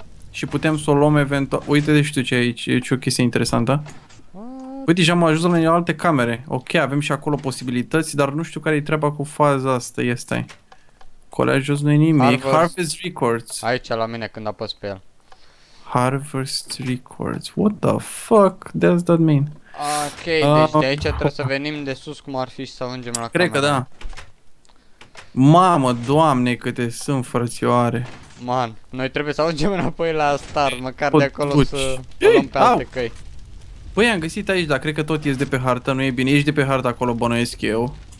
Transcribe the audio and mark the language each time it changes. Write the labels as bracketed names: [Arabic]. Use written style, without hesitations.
[Romanian] Și putem să o luăm eventual. Uite de știu ce aici, e o chestie interesantă. Uite, și am ajuns la alte camere. Ok, avem și acolo posibilități, dar nu știu care e treaba cu faza asta. Ia stai. Colea jos nu-i nimic. Harvest Records. Aici la mine când apăs pe el. Harvest Records. [English] What the fuck does that mean? [Romanian] Ok, deci de aici trebuie să venim de sus cum ar fi și să ajungem la cred camera. Cred că da. Mamă, doamne, câte sunt frățioare. Man, noi trebuie să ajungem înapoi la Star, măcar de acolo să luăm pe alte căi. Păi am găsit aici, dar cred că tot ies de pe hartă, nu e bine. Ești de pe hartă acolo, bănuiesc eu.